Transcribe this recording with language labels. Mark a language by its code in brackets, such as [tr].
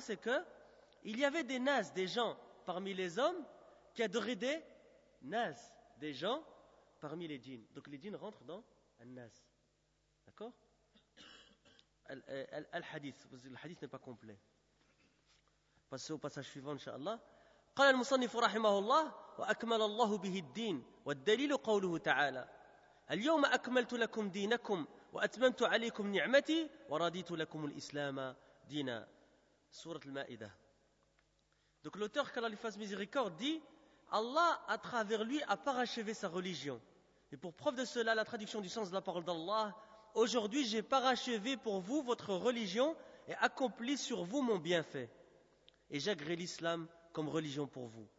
[fr] C'est que il y avait des nas, des gens parmi les hommes qui adoraient des nas, des gens parmi les djinns. Donc les djinns rentrent dans un nas. D'accord? Al-Hadith. Le hadith n'est pas complet. Passons au passage suivant, inshallah. [ar] قال المصنف رحمه الله وأكمل الله به الدين والدليل قوله تعالى اليوم أكملت لكم دينكم وأتممت عليكم نعمتي ورضيت لكم الإسلام دينا. سورة المائدة. [fr] Donc l'auteur, qu'Allah lui fasse miséricorde, dit: Allah à travers lui a parachevé sa religion. Et pour preuve de cela, la traduction du sens de la parole d'Allah: aujourd'hui j'ai parachevé pour vous votre religion et accompli sur vous mon bienfait, et j'agrée l'islam comme religion pour vous.